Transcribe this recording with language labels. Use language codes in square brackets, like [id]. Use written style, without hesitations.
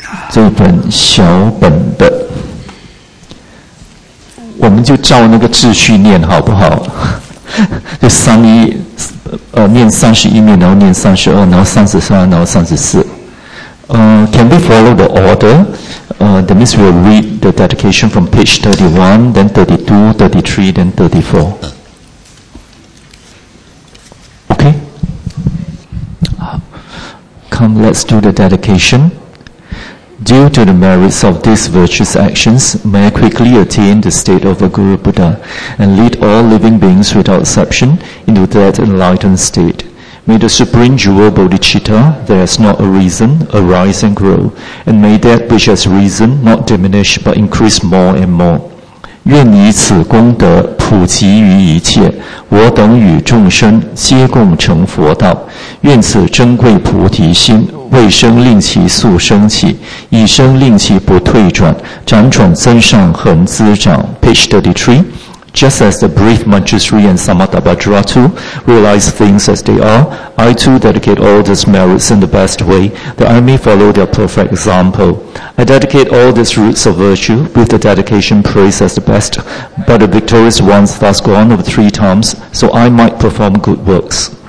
[zh] 这本小本的，我们就照那个秩序念好不好？就三一，念三十一面，然后念三十二，然后三十三，然后三十四。 [en] Can we follow the order? That means we'll read the dedication from page 31, then 32, 33, then 34. Let's do the dedication. Due to the merits of these virtuous actions, may I quickly attain the state of a Guru Buddha and lead all living beings without exception into that enlightened state. May the supreme jewel Bodhicitta, that has not arisen, arise and grow, and may that which has risen not diminish but increase more and more. [zh] 愿以此功德普及于一切，我等与众生皆共成佛道，愿此珍贵菩提心为生令其速升起，以生令其不退转，辗转增上恒滋长。 [en] Page 33. Just as the brief Manjusriyan Samatabhadra too realize things as they are, I too dedicate all these merits in the best way that I may follow their perfect example. I dedicate all these roots of virtue with the dedication praise as the best, but the victorious ones thus gone over three times, so I might perform good works.